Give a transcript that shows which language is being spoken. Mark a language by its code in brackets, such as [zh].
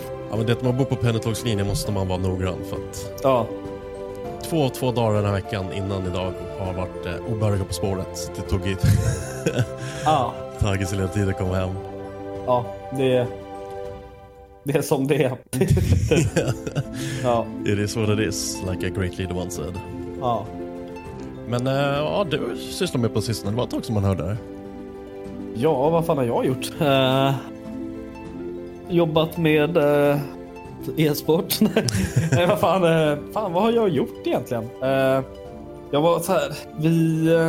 [sv] Ja, men det man bor på pendeltågslinjen måste man vara noggrann för att... Ja. Två dagar den här veckan innan idag har varit obehöriga på spåret. Så det tog hit. Ja. Tagit sig lite tid att komma hem. Ja, det är... Det är som det är. Yeah. [en] Ja. It is what it is, like a great leader once said. [sv] Ja. Men ja, du sysslar med på sistone. Det var ett tag som man hörde. Ja, vad fan har jag gjort? Jobbat med e-sport. Nej, vad fan. Fan, vad har jag gjort egentligen? Jag var så här, vi...